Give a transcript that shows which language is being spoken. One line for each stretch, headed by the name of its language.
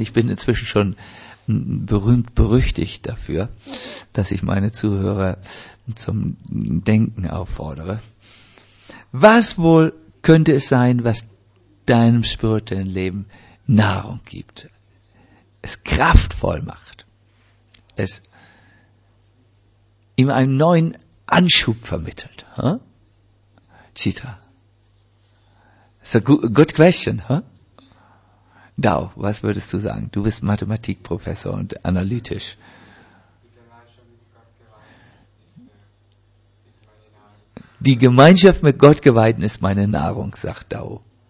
German: Ich bin inzwischen schon berühmt, berüchtigt dafür, dass ich meine Zuhörer zum Denken auffordere. Was wohl könnte es sein, was deinem spirituellen Leben Nahrung gibt, es kraftvoll macht, es ihm einen neuen Anschub vermittelt? Hm?
English: Chitra, it's a good question, huh?
German: Dao, was würdest du sagen? Du bist Mathematikprofessor und analytisch. Die Gemeinschaft mit Gott geweihten ist meine Nahrung, sagt Dao.